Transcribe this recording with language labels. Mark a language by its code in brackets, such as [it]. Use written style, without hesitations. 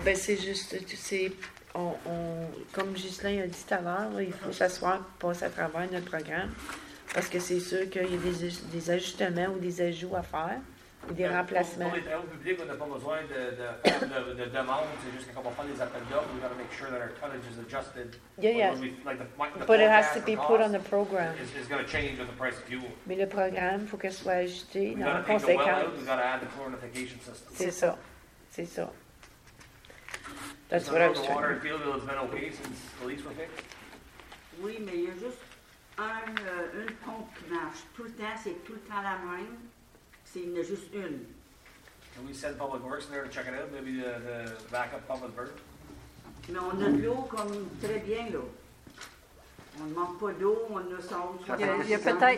[fr] Bien, c'est juste, tu sais, comme Ghislain a dit tout à l'heure, il faut s'asseoir et passer à travers notre programme parce que c'est sûr qu'il y a des ajustements ou des ajouts à faire. Des remplacements. Pour les travaux publics, on n'a pas besoin de demande. C'est juste qu'on va faire des appels d'offres. [en] We've got to make sure that our tonnage is adjusted. But it has to be put on the program. It's going to change with the price of fuel. [fr] Mais le programme, il faut qu'elle soit ajustée dans le conséquence. [en] We've got to add the chlorinification system. [fr] C'est ça. [en] That's what I was trying. The water in Fieldville has been okay since the lease was fixed? [fr] Oui, mais il y a juste une pompe qui marche tout le temps. C'est tout le temps la même. [en] Can we send Public Works in there to check it out? Maybe the backup pump is burning? [fr] Mais on a de l'eau comme très bien là. On ne manque pas d'eau, on a son.